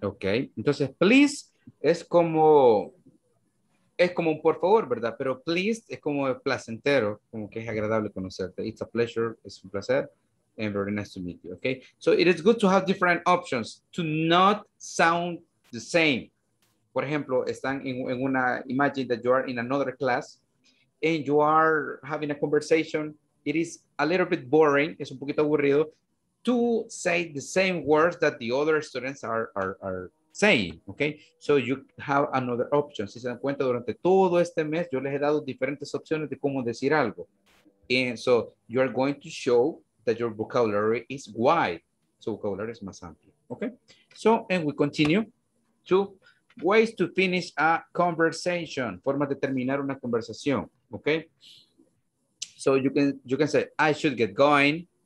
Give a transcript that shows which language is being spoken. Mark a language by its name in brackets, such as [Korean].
[Spanish] Okay, entonces please es como un por favor, ¿verdad? Pero please es como placentero, como que es agradable conocerte. [English] It's a pleasure, [Spanish] es un placer, [English] and very nice to meet you. Okay, so it is good to have different options to not sound the same. [Spanish] Por ejemplo, están en una, [English] imagine that you are in another class and you are having a conversation. It is a little bit boring, [Spanish] es un poquito aburrido, [English] to say the same words that the other students are saying, okay? So you have another option. [Spanish] Si se dan cuenta, durante todo este mes, yo les he dado diferentes opciones de cómo decir algo. [English] And so you are going to show that your vocabulary is wide. So vocabulary is [Spanish] más amplio, [English] okay? So, and we continue. Two ways to finish a conversation. [Spanish] Formas de terminar una conversación, okay? [English] So you can say, I should get going.